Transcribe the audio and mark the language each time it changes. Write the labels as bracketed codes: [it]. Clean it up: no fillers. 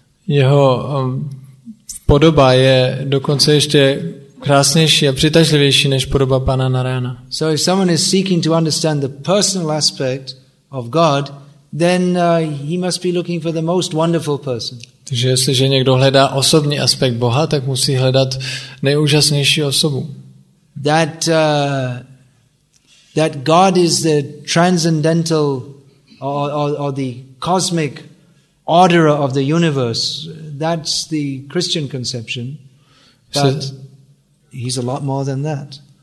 [cs] Jeho podoba je dokonce ještě krásnější a přitažlivější než podoba pana Narayana. [en] So if someone is seeking to understand the personal aspect of God, then he must be looking for the most wonderful person. [cs] Takže jestliže někdo hledá osobní aspekt Boha, tak musí hledat nejúžasnější osobu. [en] That God is the transcendental or the cosmic order of the universe, that's the Christian conception, but he's a lot more than that.